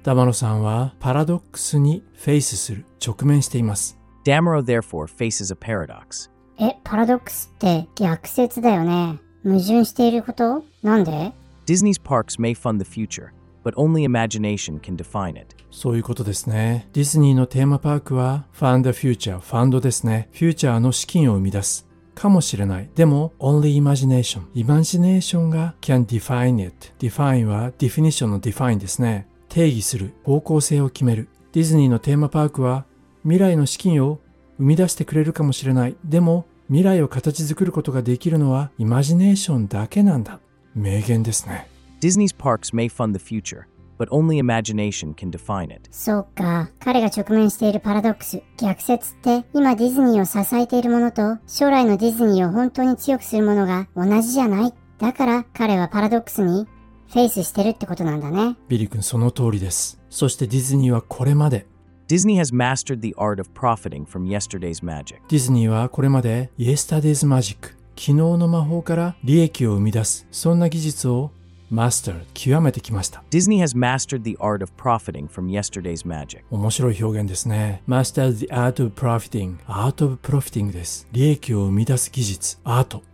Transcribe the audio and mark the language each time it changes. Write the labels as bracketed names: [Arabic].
[Japanese] Damro さんはパラドックスにフェイスする、直面しています。 [English] Damro therefore faces a paradox. [Japanese] え、パラドックスって逆説だよね。矛盾していること、なんで？ [English] Disney's parks may fund the future, but only imagination can define it. [Japanese] そういうことですね。ディズニーのテーマパークは fund the future、 ファンドですね。フューチャーの資金を生み出すかもしれない。でも、only imagination。イマジネーションが [English] can define it。 [Japanese] define は definition の define ですね。定義する。方向性を決める。ディズニーのテーマパークは未来の資金を生み出してくれるかもしれない。でも、未来を形作ることができるのはイマジネーションだけなんだ。名言ですね。 [English] Disney's parks may fund the future, but only imagination can define it. [Japanese] そうか。彼が直面しているパラドックス、逆説って、今ディズニーを支えているものと、将来のディズニーを本当に強くするものが同じじゃない。だから彼はパラドックスにフェイスしてるってことなんだね。ビリ君、その通りです。そしてディズニーはこれまで、 [English] Disney has mastered the art of profiting from yesterday's magic. [Japanese] ディズニーはこれまで yesterday's magic、 昨日の魔法から利益を生み出す、そんな技術を master、 極めてきました。 [English] Disney has mastered the art of profiting from yesterday's magic. [Japanese] 面白い表現ですね。 [English] Master the art of profiting。 Art of profiting です。 [Japanese] 利益を生み出す技術、アート。